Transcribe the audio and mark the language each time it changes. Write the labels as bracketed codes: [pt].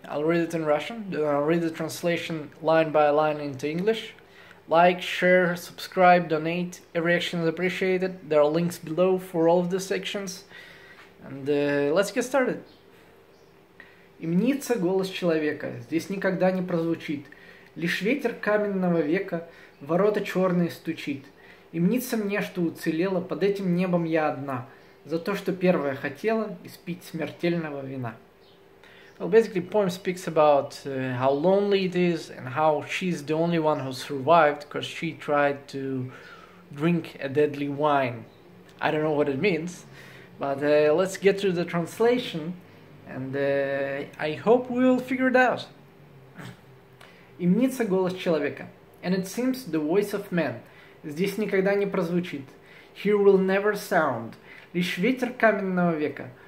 [en] I'll read it in Russian, then I'll read the translation line by line into English. Like, share, subscribe, donate, every action is appreciated. There are links below for all of the sections. And let's get started. [ru] Имнится голос человека, здесь никогда не прозвучит. Лишь ветер каменного века ворота черные стучит. И мнится мне, что уцелела, под этим небом я одна, за то, что первая хотела испить смертельного вина. [en] Well, basically, the poem speaks about how lonely it is and how she's the only one who survived because she tried to drink a deadly wine. I don't know what it means, but let's get to the translation and I hope we'll figure it out. [ru] И мнится голос человека. [en] And it seems the voice of man [ru] здесь никогда не прозвучит. [en] Here will never sound. [ru] Лишь ветер каменного века.